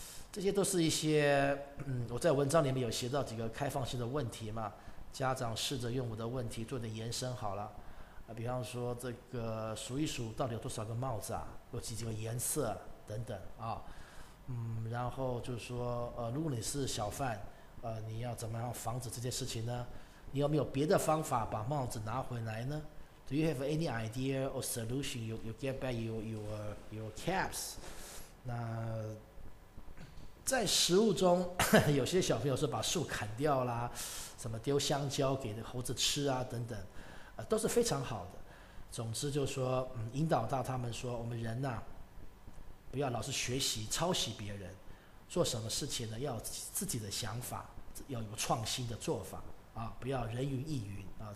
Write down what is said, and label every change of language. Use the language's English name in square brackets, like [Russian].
[Chinese] 这些都是一些，我在文章里面有写到几个开放性的问题嘛，家长试着用我的问题做点延伸好了，比方说这个数一数到底有多少个帽子啊，有几个颜色等等啊，然后就是说，如果你是小贩，你要怎么样防止这件事情呢？你有没有别的方法把帽子拿回来呢？ [English] Do you have any idea or solution you get back your caps? [Chinese] 那在食物中有些小朋友是把树砍掉啦，什么丢香蕉给猴子吃啊等等，都是非常好的。总之就是说，引导到他们说，我们人啊不要老是学习抄袭别人，做什么事情呢要自己的想法，要有创新的做法啊，不要人云亦云啊。